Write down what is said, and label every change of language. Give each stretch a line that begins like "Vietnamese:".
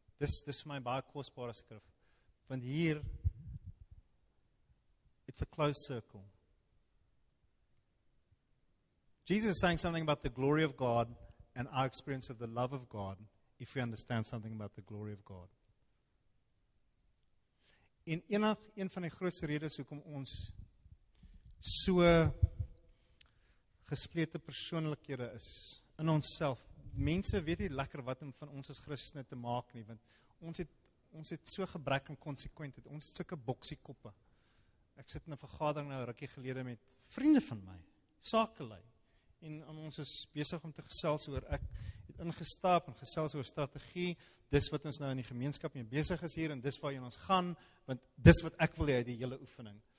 English: This is my
Afrikaans: baie kosbare skrif. Want hier,
English: it's a closed circle. Jesus is saying something about the glory of God and our experience of the love of God, if we understand something about the glory of God.
Afrikaans: En een van die grootste redes hoekom ons so gesplete persoonlikhede is in onsself. Mense weet nie lekker wat om van ons as Christene te maak nie, want ons het so gebrek aan konsekwentheid. Ons het sulke boksie koppe. Ek sit in 'n vergadering nou rukkie gelede met vriende van my, sakelei, en ons is besig om te gesels oor ek het ingestap en gesels oor strategie. Dis wat ons nou in die gemeenskap mee besig is hier en dis waarheen ons gaan, want dis wat ek wil hê uit die hele oefening.